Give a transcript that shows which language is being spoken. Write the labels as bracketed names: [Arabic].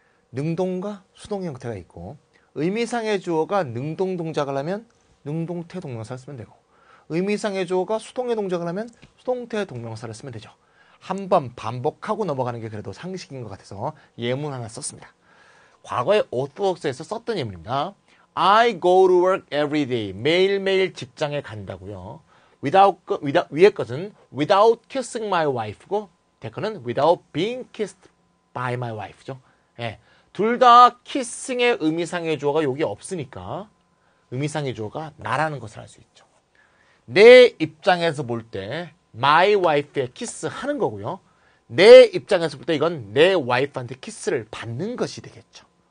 [Korean] 능동과 수동 형태가 있고, 의미상의 주어가 능동 동작을 하면 능동태 동명사를 쓰면 되고, 의미상의 주어가 수동의 동작을 하면 수동태 동명사를 쓰면 되죠. 한번 반복하고 넘어가는 게 그래도 상식인 것 같아서 예문 하나 썼습니다. 과거에 오토독스에서 썼던 예문입니다. [English] I go to work every day. [Korean] 매일매일 직장에 간다고요. [English] without [Korean] 위의 것은 [English] without kissing my wife고, 대거는 without being kissed by my wife죠. [Korean] 예. 둘다 kissing의 의미상의 주어가 여기 없으니까 의미상의 주어가 나라는 것을 알수 있죠. 내 입장에서 볼 때, my wife의 키스 하는 거고요. 내 입장에서 볼 때, 이건 내 와이프한테 키스를 받는 것이 되겠죠.